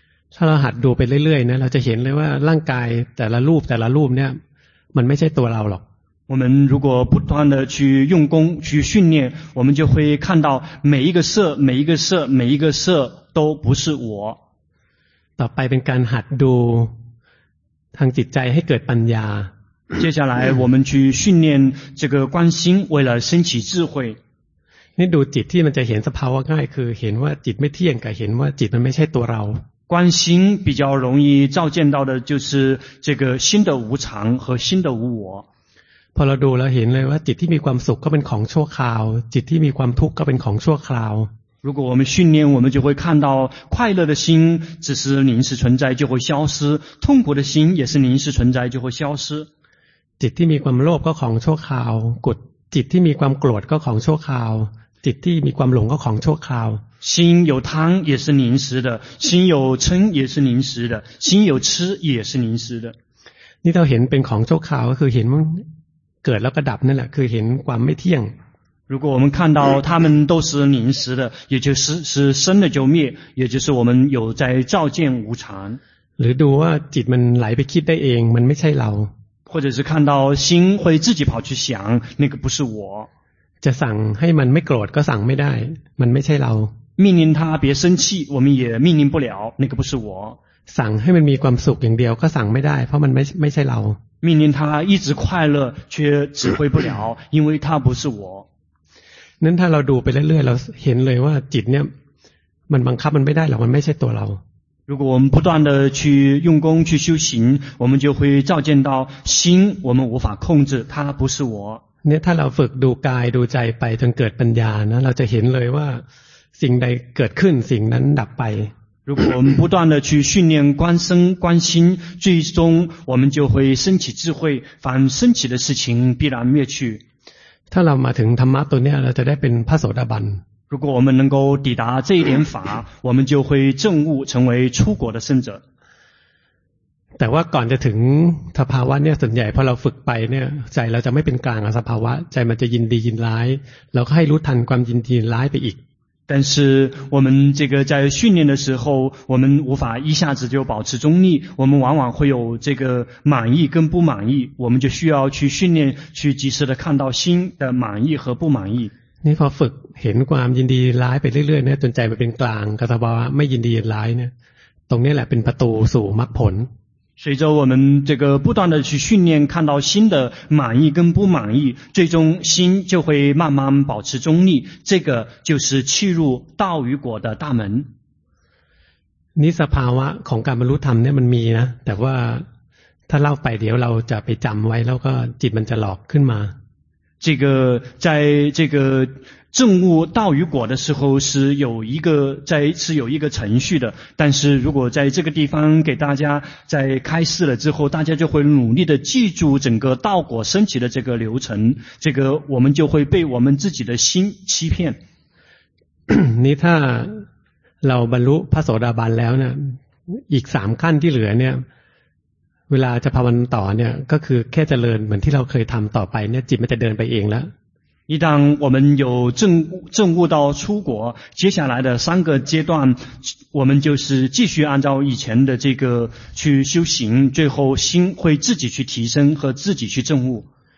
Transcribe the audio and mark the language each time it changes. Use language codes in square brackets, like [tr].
[th] ถ้าเราหัดดูไปเรื่อยๆนะเราจะเห็นเลยว่าร่างกายแต่ละรูปแต่ละรูปเนี่ยมันไม่ใช่ตัวเราหรอก [zh] 我们如果不断的去用功去训练我们就会看到每一个色每一个色每一个色都不是我 [th] ต่อไปเป็นการหัดดูทางจิตใจให้เกิดปัญญา [zh] 接下来我们去训练这个观心为了升起智慧 [th] นี่ดูจิตที่มันจะเห็นสภาวะง่ายคือเห็นว่าจิตไม่เที่ยงกับเห็นว่าจิตมันไม่ใช่ตัวเรา [zh] 观心比较容易照见到的就是这个心的无常和心的无我 [th] พอเราดูเราเห็นเลยว่าจิตที่มีความสุขก็เป็นของชั่วคราวจิตที่มีความทุกข์ก็เป็นของชั่วคราว [zh] 如果我们训练我们就会看到快乐的心只是临时存在就会消失痛苦的心也是临时存在就会消失 [th] จิตที่มีความโลภก็ของชั่วคราวจิตที่มีความโกรธก็ของชั่วคราวจิตที่มีความหลงก็ของชั่วคราว [zh] 心有贪也是临时的心有嗔也是临时的心有痴也是临时的 [th] นี่เราเห็นเป็นของชั่วคราวก็คือเห็นเกิดแล้วก็ดับนั่นแหละคือเห็นความไม่เที่ยง [zh] 如果我们看到他们都是临时的也就是是生的就灭也就是我们有在照见无常 [th] หรือดูว่าจิตมันไหลไปคิดได้เองมันไม่ใช่เรา [zh] 或者是看到心会自己跑去想那个不是我 [th] จะสั่งให้มันไม่โกรธก็สั่งไม่ได้มันไม่ใช่เรา [zh] 命令他别生气我们也命令不了那个不是我 [th] สั่งให้มันมีความสุขอย่างเดียวก็สั่งไม่ได้เพราะมันไม่ใช่เรา [zh] 命令他一直快乐却指挥不了因为他不是我 [th] นั้นถ้าเราดูไปเรื่อยๆเราเห็นเลยว่าจิตเนี่ยมันบังคับมันไม่ได้หรอกมันไม่ใช่ตัวเรา [zh] 如果我们不断的去用功去修行我们就会照见到心我们无法控制它不是我 [th] เนี่ยถ้าเราฝึกดูกายดูใจไปจนเกิดปัญญานะเราจะเห็นเลยว่าสิ่งใดเกิดขึ้นสิ่งนั้นดับไป [zh] 如果我们不断的去训练观身观心最终我们就会升起智慧凡升起的事情必然灭去 [th] ถ้าเรามาถึงธรรมะตัวเนี้ยเราจะได้เป็นพระโสดาบัน [zh] 如果我们能够抵达这一点法我们就会证悟成为出国的圣者 [th] แต่ว่าก่อนจะถึงสภาวะเนี่ยส่วนใหญ่พอเราฝึกไปเนี่ยใจเราจะไม่เป็นกลางกับสภาวะใจมันจะยินดียินร้ายเราก็ให้รู้ทันความยินดียินร้ายไปอีก [zh] 但是我们这个在训练的时候我们无法一下子就保持中立我们往往会有这个满意跟不满意我们就需要去训练去及时的看到心的满意和不满意 [th] นี่พอฝึกเห็นความยินดียินร้ายไปเรื่อยๆเนี่ยจนใจมันเป็นกลางกับสภาวะไม่ยินดียินร้ายเนี่ยตรงนี้แหละเป็นประตูสู่มรรคผล [zh] 随着我们这个不断的去训练看到心的满意跟不满意最终心就会慢慢保持中立这个就是契入道与果的大门 [th] นี่สภาวะของการบรรลุธรรมเนี่ยมันมีนะแต่ว่าถ้าเล่าไปเดี๋ยวเราจะไปจำไว้แล้วก็จิตมันจะหลอกขึ้นมา [zh] 这个在这个证悟道与果的时候是有一个在是有一个程序的但是如果在这个地方给大家在开示了之后大家就会努力的记住整个道果升起的这个流程这个我们就会被我们自己的心欺骗你 [th] ถ้าเราบรรลุพระโสดาบันแล้วเนี่ยอีกสามขั้นที่เหลือเนี่ยเวลาจะภาวนาต่อเนี่ยก็คือแค่เจริญเหมือนที่เราเคยทำต่อไปเนี่ยจิตมันจะเดินไปเองแล้ว [zh] 一旦我们有证悟到出国接下来的三个阶段我们就是继续按照以前的这个去修行最后心会自己去提升和自己去证悟